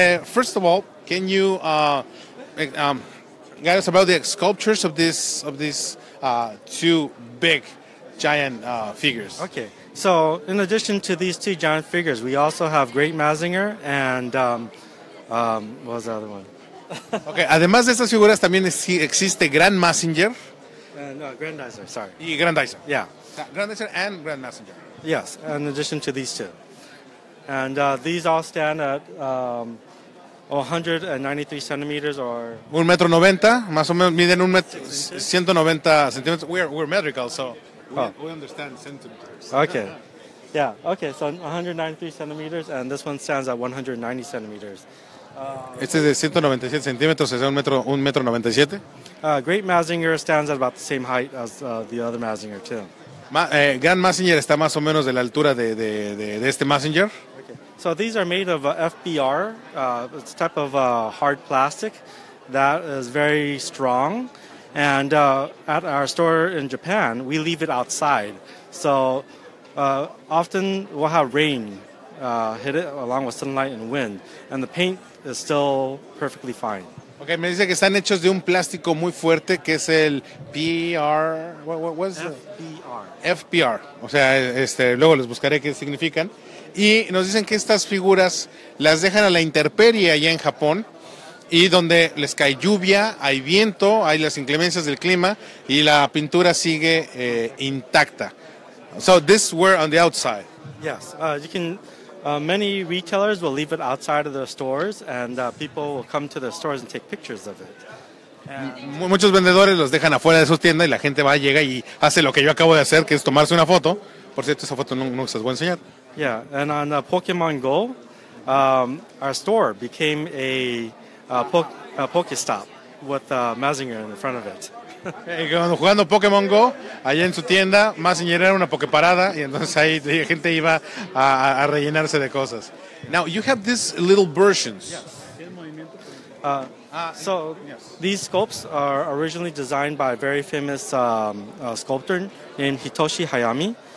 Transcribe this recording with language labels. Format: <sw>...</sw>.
<en>First of all, can you guide us about the sculptures of these two big giant figures? Okay. So, in addition to these two giant figures, we also have Great Mazinger and what was the other one? Okay.</en> <es>Además de estas figuras, también existe Grand Mazinger.</es> <en>Grandizer. Sorry.</en> <es>Y Grandizer.</es> <en>Yeah. Grandizer and Grand Mazinger. Yes. In addition to these two, and these all stand at 193 centimeters or 1.90 meters,</en> <es>más o menos miden 190 centímetros.</es> <en>We're metrical, so we understand centimeters. Okay. Yeah. Okay. So 193 centimeters, and this one stands at 190 centimeters.</en> <es>Este es de 197 centímetros, es de 1.97 metros.</es> <en>Great Mazinger stands at about the same height as the other Mazinger too.</en> <es>Grand Mazinger está más o menos de la altura de este Mazinger.</es> <en>So these are made of FBR, it's a type of hard plastic that is very strong. And at our store in Japan, we leave it outside. So often we'll have rain hit it along with sunlight and wind, and the paint is still perfectly fine.</en> <es>Okay, me dice que están hechos de un plástico muy fuerte que es el PR.</es> <en>What's FBR.</en> <es>FBR. O sea, luego les buscaré qué significan. Y nos dicen que estas figuras las dejan a la intemperie allá en Japón, y donde les cae lluvia, hay viento, hay las inclemencias del clima, y la pintura sigue intacta.</es> <en>So this were on the outside. Yes, you can. Many retailers will leave it outside of their stores, and people will come to their stores and take pictures of it.</en> <es>Muchos vendedores los dejan afuera de sus tiendas y la gente va, llega y hace lo que yo acabo de hacer, que es tomarse una foto. Por cierto, esa foto no se las voy a enseñar.</es> <en>Yeah, and on Pokemon Go, our store became a Pokestop with Mazinger in front of it.</en> <es>Jugando Pokémon Go, allá en su tienda, Mazinger era una Poképarada, y entonces ahí la gente iba a rellenarse de cosas.</es> <en>Now, you have these little versions. So, these sculpts are originally designed by a very famous sculptor named Hitoshi Hayami.</en>